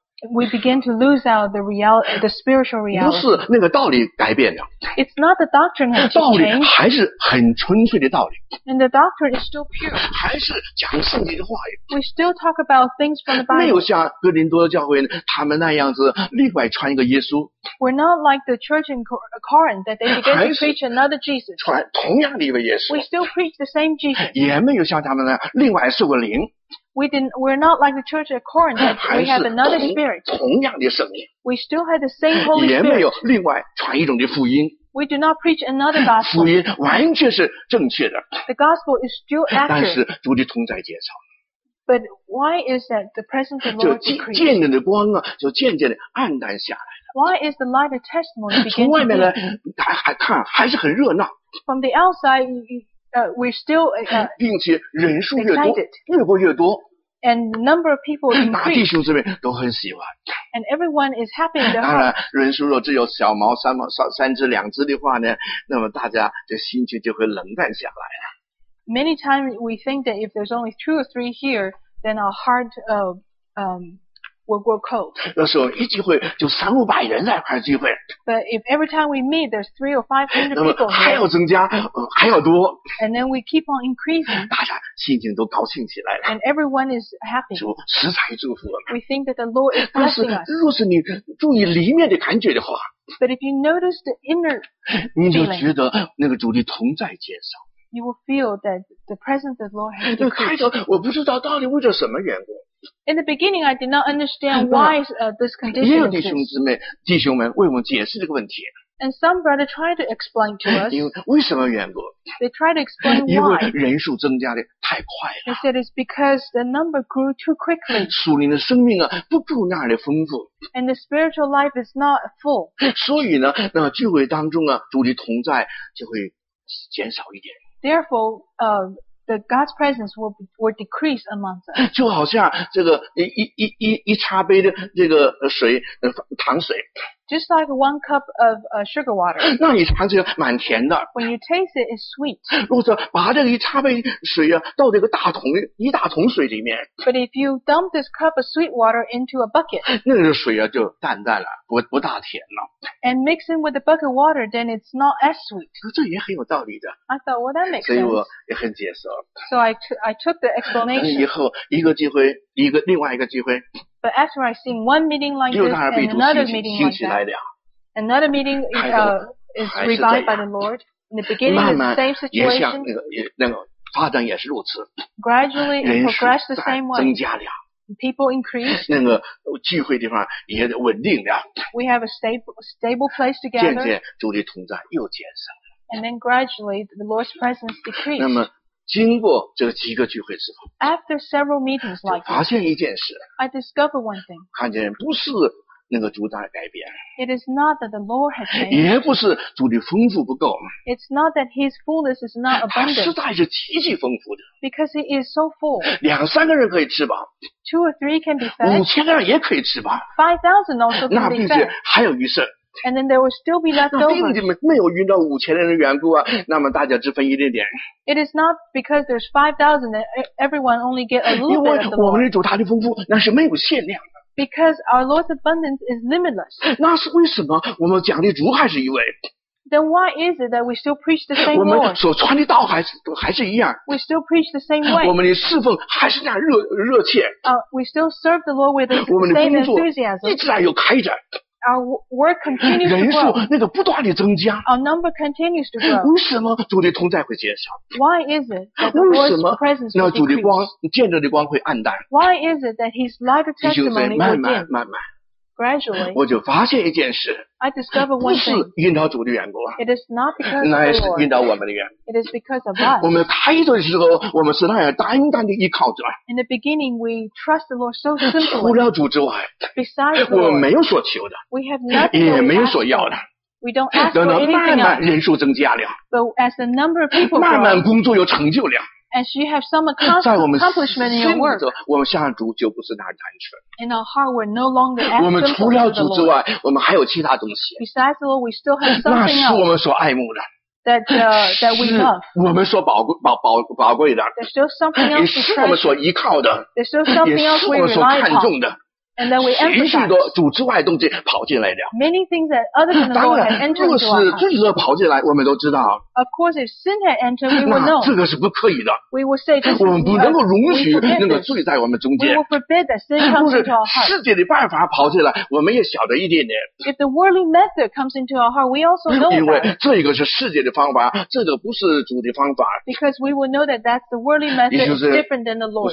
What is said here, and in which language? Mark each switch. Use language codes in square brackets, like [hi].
[en] We begin to lose out the spiritual reality. [zh] 不是那个道理改变了。 [en] It's not the doctrine has changed. [zh] 道理还是很纯粹的道理。 [en] And the doctrine is still pure. [zh] 还是讲圣经的话语。 [en] We still talk about things from the Bible. [zh] 没有像哥林多教会他们那样子另外传一个耶稣。 [en] We're not like the church in Corinth that they began to preach another Jesus. [zh] 传同样的一位耶稣。 [en] We still preach the same Jesus. [zh] 也没有像他们那样另外受过灵。 [en] We're not like the church at Corinth that we have another spirit. [zh] 同样的圣灵。 [en] We still have the same Holy Spirit. [zh] 也没有另外传一种的福音。 [en] We do not preach another gospel. [zh] 福音完全是正确的。 [en] The gospel is still accurate. [zh] 但是主的同在介绍。 [en] But why is that the presence of the Lord decreased? [zh] 就渐渐的光啊，就渐渐的暗淡下来。 [en] Why is the light of testimony beginning to be? [zh] 从外面来还看还是很热闹。 [en] From the outside, we're still excited. [zh] 并且人数越多，越过越多。 [en] And the number of people increased. [zh] 大弟兄姊妹都很喜欢。 [en] And everyone is happy in their heart. [zh] 当然，人数若只有小毛三毛三只两只的话呢，那么大家的心情就会冷淡下来了。 [en] Many times we think that if there's only two or three here, then our heart will grow cold. [zh] 那时候一聚会就三五百人在一块聚会。 [en] But if every time we meet, there's 300 or 500 people. [zh] 那么还要增加，还要多。 [en] And then we keep on increasing. [zh] 大家心情都高兴起来了。 [en] And everyone is happy. [zh] 主实在祝福我们。 [en] We think that the Lord is blessing us. [zh] 但是，若是你注意里面的感觉的话 [en] ，But if you notice the inner feeling, [zh] 你就觉得那个主的同在介绍。 [en] You will feel that the presence of the Lord has increased. [zh] 开头我不知道到底为着什么缘故。 [en] In the beginning, I did not understand why this condition exists. [zh] 也有弟兄姊妹、弟兄们为我们解释这个问题。 [en] And some brother tried to explain to us. [zh] 因为什么缘故 [en] ？They tried to explain why. [zh] 因为人数增加的太快了。 [en] They said it's because the number grew too quickly. [zh] 属灵的生命啊，不够那儿的丰富。 [en] And the spiritual life is not full. [zh] 所以呢，那么聚会当中啊，主的同在就会减少一点。 [en] Therefore, the God's presence will decrease amongst us. [zh] 就好像这个一茶杯的这个水糖水。 [en] Just like one cup of sugar water. [zh] 那你尝起来蛮甜的。 [en] When you taste it, it's sweet. [zh] 如果说把这个一茶杯水啊倒这个一大桶水里面。 [en] But if you dump this cup of sweet water into a bucket. [zh] 那个水啊就淡淡了，不大甜了。 [en] And mixing with the bucket water, then it's not as sweet. [zh] 这也很有道理的。 [en] I thought, well, that makes sense. [zh] 所以我也很解释。 [en] So I took the explanation. [zh] 以后一个机会，另外一个机会。 [en] But after I seen one meeting like this and another meeting like that, another meeting is revived by the Lord. In the beginning, the same situation. [zh] 慢慢也像那个发展也是如此。 [en] Gradually, it progressed the same way. [zh] 人数增加了。 [en] People increase. [zh] 那个聚会地方也稳定了。 [en] We have a stable place together. [zh] 渐渐主的同在又减少了。 [en] And then gradually, the Lord's presence decreased. [zh] 那么经过这几个聚会之后 [en] ，After several meetings like this, [zh] 发现一件事 [en] ，I discovered one thing， [zh] 看见不是那个主在改变 [en] ，It is not that the Lord has changed， [zh] 也不是主的丰富不够 [en] ，It's not that His fullness is not abundant， [zh] 他实在是极其丰富的 [en] ，Because He is so full， [zh] 两三个人可以吃饱 [en] ，Two or three can be fed， [zh] 五千个人也可以吃饱 [en] ，5,000 also can be fed， [zh] 那并且还有余剩。 [en] And then there will still be left over. [zh] 那并且没有遇到五千人的缘故啊，那么大家只分一点点。 [en] It is not because there's 5,000 that everyone only get a little bit of the Lord. [zh] 因为我们的主他的丰富那是没有限量的。 [en] Because our Lord's abundance is limitless. [zh] 那是为什么我们讲的主还是一位？ [en] Then why is it that we still preach the same Lord? [zh] 我们所传的道还是一样。 [en] We still preach the same way. [zh] 我们的侍奉还是那样热切。 [en] We still serve the Lord with the same enthusiasm. [zh] 一直在有开展。 [en] Our work continues to grow. [zh] 人数那个不断的增加。 [en] Our number continues to grow. [zh] 为什么主的同在会减少 [en] ？Why is it that the Lord's presence will decrease? [zh] 那主的光，见证的光会暗淡。 [en] Why is it that His light of testimony will dim? [zh] 慢慢。 [en] Gradually. [zh] 我就发现一件事。 [en] I discover one thing. [zh] 不是引导主的缘故。 [en] It is not because of the Lord. [zh] 那是引导我们的缘故。 [en] It is because of us. [zh] 我们开始的时候，我们是那样单单的依靠主。 [en] In the beginning, we trust the Lord so simply. [zh] 除了主之外。 [en] Besides Lord, [zh] 我们没有所求的。 [en] We have nothing. [zh] 也没有所要的。 [en] We don't ask for anything. [zh] 等到慢慢人数增加了。 [en] But as the number of people grow. [zh] 慢慢工作有成就了。 [en] And you have some accomplishment in your work. [zh] 在我们心里，我们向主就不是那单纯。 [en] In our heart, we're no longer asking for the Lord. [zh] 我们除了主之外，我们还有其他东西。 [en] Besides the Lord, we still have something else. [zh] 那是我们所爱慕的。 [en] That we love. [zh] 是我们所宝贵的。 [en] There's still something else. [zh] 也是我们所依靠的。 [en] There's still something else we rely upon. [zh] 也是我们所看重的。 [en] And then we emphasize. [zh] 许许多组织外动机跑进来了。 [en] Many things that other than the Lord had entered into our hearts. [zh] 当然，若是罪恶跑进来，我们都知道。 [en] Of course, if sin had entered, we would know. [zh] 这个是不可以的。 [en] We would say this is not. [zh] 我们不能够容许那个罪在我们中间。 [en] We would forbid that sin comes into our hearts. [zh] 世界的办法跑进来，我们也晓得一点点。 [en] If the worldly method comes into our heart, we also know that. [zh] 因为这个是世界的方法，这个不是主的方法。 [en] Because we would know that that's the worldly method is different than the Lord.